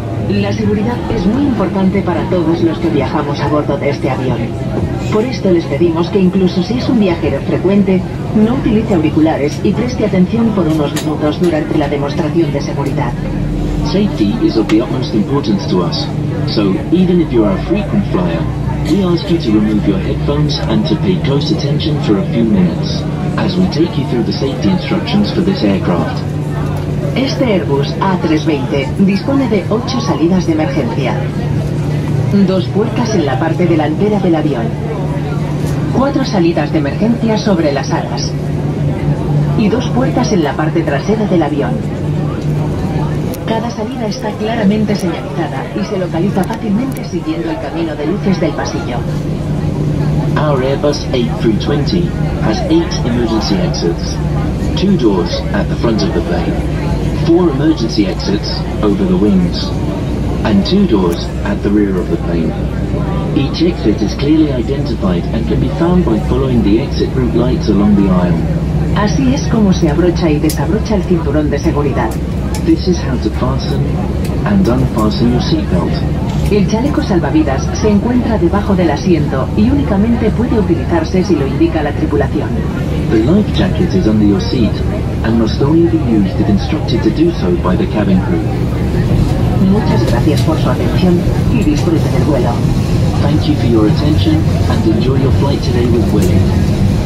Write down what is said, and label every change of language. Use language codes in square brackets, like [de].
[es] La seguridad es muy importante para todos los que viajamos a bordo de este avión. Por esto les pedimos que incluso si es un viajero frecuente, no utilice auriculares y preste atención por unos minutos durante la demostración de seguridad. [en] Safety is of the utmost importance to us. So, even if you are a frequent flyer, we ask you to remove your headphones and to pay close attention for a few minutes, as we take you through the safety instructions for this aircraft. [es] Este Airbus A320 dispone de 8 salidas de emergencia. 2 puertas en la parte delantera del avión. 4 salidas de emergencia sobre las alas. Y 2 puertas en la parte trasera del avión. Cada salida está claramente señalizada y se localiza fácilmente siguiendo el camino de luces del pasillo. [en] Our Airbus A320 has 8 emergency exits. 2 doors at the front of the plane. 4 emergency exits over the wings, and 2 doors at the rear of the plane. Each exit is clearly identified and can be found by following the exit route lights along the aisle. [es] Así es como se abrocha y desabrocha el cinturón de seguridad. [en] This is how to fasten and unfasten your seatbelt. [es] El chaleco salvavidas se encuentra debajo del asiento y únicamente puede utilizarse si lo indica la tripulación. [en] The life jacket is under your seat and must only be used if instructed to do so by the cabin crew. [es] Muchas gracias por su atención y disfrute del vuelo. [en] Thank you for your attention and enjoy your flight today with Willie.